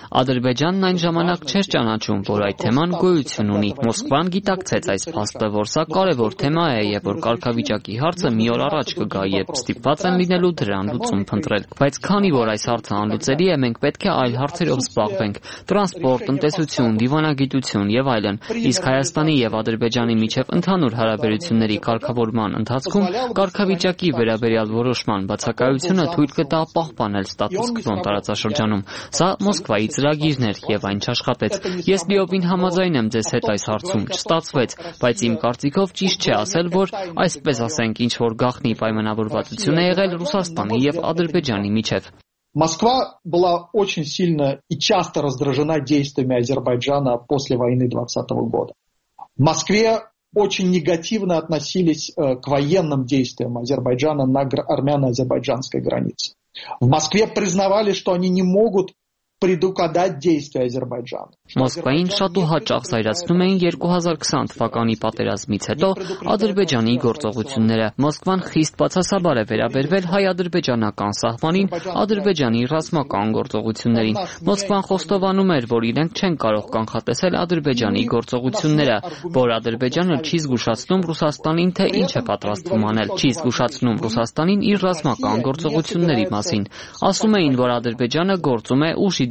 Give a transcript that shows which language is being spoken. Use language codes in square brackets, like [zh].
[hy] Ադրբեջանն այն ժամանակ չէր ճանաչում, որ այդ թեման գոյություն ունի։ Մոսկվան գիտակցեց այս փաստը, որ սա կարևոր թեմա է և որ կարգավիճակի հարցը մի օր առաջ կգա, երբ ստիպված են լինելու դրան լուծում փնտրել։ Բայց քանի որ այս հարցը անլուծելի է, մենք պետք է այլ հարցերով զբաղվենք՝ տրանսպորտ, տնտեսություն, դիվանագիտություն և այլն։ Իսկ Հայաստանի և Ադրբեջանի միջև ընդհանուր հարաբերությունների կարգավորման ընթացքում կարգավիճակի վերաբերյալ որոշման բացակայությունը թույլ կտա պահպանել ստատուս-կվոն տարածաշրջանում։ Սա Մոսկվայի ծրագիրն էր և այն չաշխատեց։ Ես լիովին համաձայն եմ ձեզ հետ այս հարցում, չստացվեց, բայց իմ կարծիքով ճիշտ չէ ասել, որ այսպես ասենք, ինչ որ գաղտնի պայմանավորվածություն է եղել Ռուսաստանի և Ադրբեջանի միջև։ [ru] Москва была очень сильно и часто раздражена действиями Азербайджана после войны 20-го года. В Москве очень негативно относились к военным действиям Азербайджана на армяно-азербайджанской границе. В Москве признавали, что они не могут предугадать действия Азербайджана. [hy] Մոսկվային շատ ու հաճախ զայրացնում էին 2020 թվականի պատերազմից հետո Ադրբեջանի գործողությունները։ Մոսկվան խիստ բացասաբար է վերաբերվել հայ-ադրբեջանական սահմանին, Ադրբեջանի ռազմական գործողություններին։ Մոսկվան խոստովանում էր, որ իրենք չեն կարող կանխատեսել Ադրբեջանի գործողությունները, որ Ադրբեջանը չի զգուշացնում Ռուսաստանին, թե ինչ է պատրաստվում անել, չի զգուշացնում Ռուսաստանին իր ռազմական գործողությունների մասին։ Ասում էին, որ Ադրբեջանը գործում է ուժի